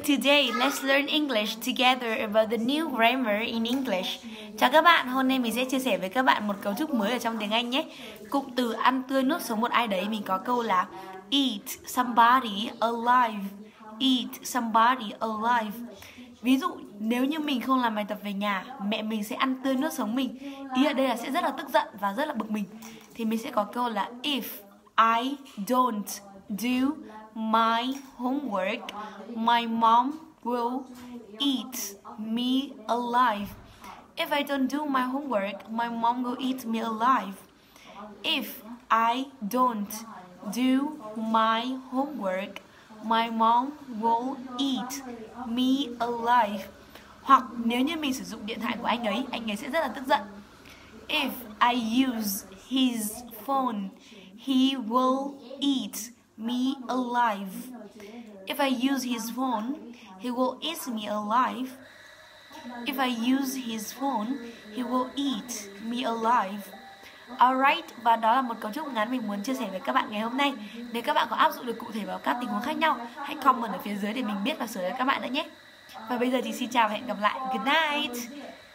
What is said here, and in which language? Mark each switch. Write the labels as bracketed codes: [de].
[en] Today, let's learn English together about the new grammar in English. [vi] Chào các bạn, hôm nay mình sẽ chia sẻ với các bạn một cấu trúc mới ở trong tiếng Anh nhé. Cụm từ ăn tươi nuốt sống một ai đấy, mình có câu là [en] eat somebody alive. Eat somebody alive. [vi] Ví dụ, nếu như mình không làm bài tập về nhà, mẹ mình sẽ ăn tươi nuốt sống mình. Ý ở đây là sẽ rất là tức giận và rất là bực mình. Thì mình sẽ có câu là [en] if I don't do my homework, my mom will eat me alive. If I don't do my homework, my mom will eat me alive. If I don't do my homework, my mom will eat me alive. [vi] Hoặc nếu như mình sử dụng điện thoại của anh ấy sẽ rất là tức giận. [en] If I use his phone, he will eat me alive. If I use his phone, he will eat me alive. If I use his phone, he will eat me alive. [vi] Alright, và đó là một cấu trúc ngắn mình muốn chia sẻ với các bạn ngày hôm nay. Nếu các bạn có áp dụng được cụ thể vào các tình huống khác nhau, hãy comment ở phía dưới để mình biết và sửa cho các bạn nữa nhé. Và bây giờ thì xin chào và hẹn gặp lại. [en] Good night.